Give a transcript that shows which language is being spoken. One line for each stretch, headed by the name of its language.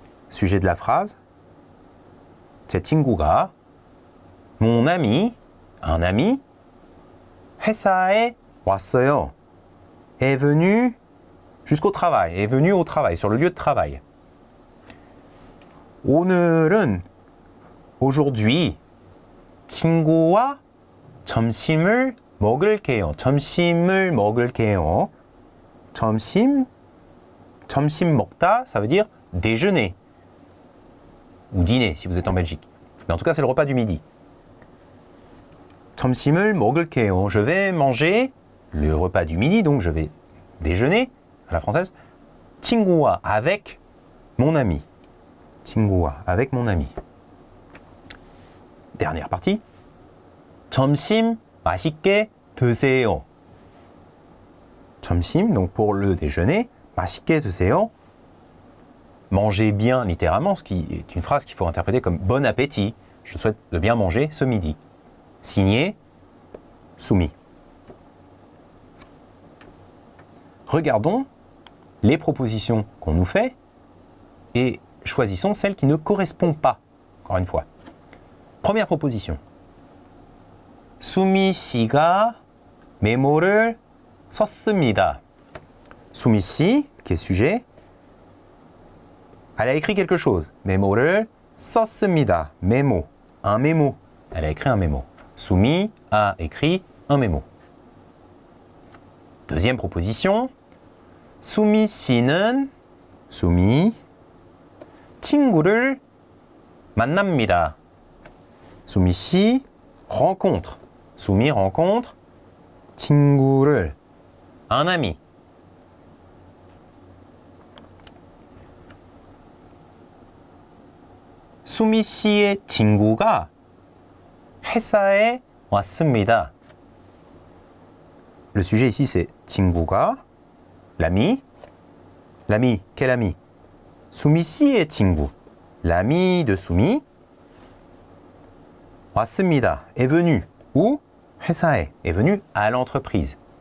French: sujet de la phrase.
Korean: 제 친구가
French: mon ami, un ami,
Korean: 회사에 왔어요.
French: Est venu jusqu'au travail, est venu au travail, sur le lieu de travail.
Korean: 오늘은
French: aujourd'hui
Korean: 친구와 점심을 먹을게요. 점심을 먹을게요. 점심 점심 먹다,
French: ça veut dire déjeuner ou dîner si vous êtes en Belgique. Mais en tout cas, c'est le repas du midi.
Korean: 점심을 먹을게요.
French: Je vais manger le repas du midi, donc je vais déjeuner à la française.
Korean: 친구와
French: avec mon ami.
Korean: 친구와
French: avec mon ami. Dernière partie.
Korean: 점심 맛있게 드세요. 점심
French: donc pour le déjeuner.
Korean: 맛있게 드세요.
French: Manger bien littéralement, ce qui est une phrase qu'il faut interpréter comme bon appétit. Je souhaite de bien manger ce midi. Signé, soumis. Regardons les propositions qu'on nous fait et choisissons celles qui ne correspondent pas. Encore une fois. Première proposition.
Korean: Soumis 씨가 메모를 썼습니다.
French: Soumis 씨, qui est sujet, elle a écrit quelque chose.
Korean: 메모를 썼습니다.
French: Mémo. Un mémo. Elle a écrit un mémo. Soumi a écrit un mémo. Deuxième proposition.
Korean: Soumi 씨는 Soumi 친구를 만납니다.
French: Soumi 씨 rencontre. Soumi rencontre
Korean: 친구를
French: un ami.
Korean: Soumi 씨의 친구가 회사에 왔습니다.
French: Le sujet ici c'est
Korean: 친구가,
French: l'ami. L'ami, quel ami?
Korean: Soumi 씨의 친구.
French: L'ami de Soumi.
Korean: 왔습니다.
French: Est venu. Où?
Korean: 회사에.
French: Est venu à l'entreprise.